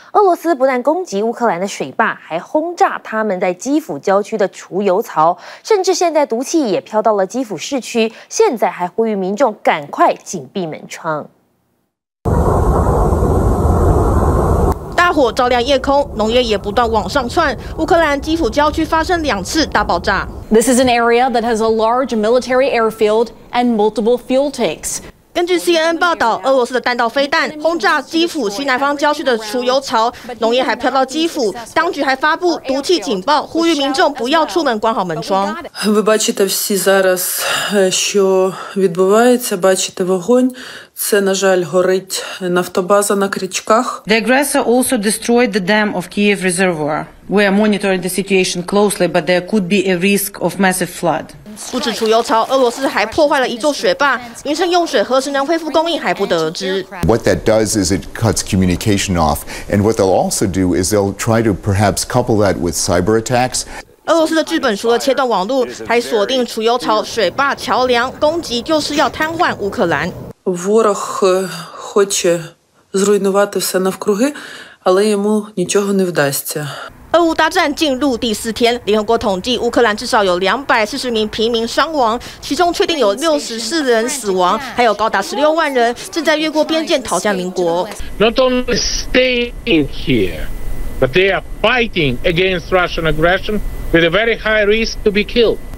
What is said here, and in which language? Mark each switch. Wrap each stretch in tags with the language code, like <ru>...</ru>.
<zh>俄罗斯不但攻击乌克兰的水坝，还轰炸他们在基辅郊区的储油槽，甚至现在毒气也飘到了基辅市区，现在还呼吁民众赶快紧闭门窗。大火照亮夜空，浓烟也不断往上窜。乌克兰基辅郊区发生两次大爆炸。</zh> <en>This is an area that has a large military airfield and multiple fuel tanks.</en> <zh>根据 CNN 报道，俄罗斯的弹道飞弹轰炸基辅西南方郊区的储油槽，浓烟还飘到基辅，当局还发布毒气警报，呼吁民众不要出门，关好门窗。</zh> <uk>Ви бачите всі зараз, що відбувається, бачите вогонь. Це, на жаль, горить нафтобаза на Крічках.</uk> <en>The aggressor also destroyed the dam of Kiev Reservoir. We are monitoring the situation closely, but there could be a risk of massive flood.</en> <zh>不止储油槽，俄罗斯还破坏了一座水坝，民生用水何时能恢复供应还不得而知。</zh> <en>What that does is it cuts communication off, and what they'll also do is they'll try to perhaps couple that with cyber attacks.</en> <zh>俄罗斯的剧本除了切断网络，还锁定储油槽、水坝、桥梁，攻击就是要瘫痪乌克兰。</zh> <uk>Ворог хоче зруйнувати все навкруги, але йому нічого не вдасться.</uk> <zh>俄乌大战进入第四天，联合国统计乌克兰至少有240名平民伤亡，其中确定有64人死亡，还有高达16万人正在越过边界逃向邻国。</zh> <en>Not only staying here, but they are fighting against Russian aggression with a very high risk to be killed.</en>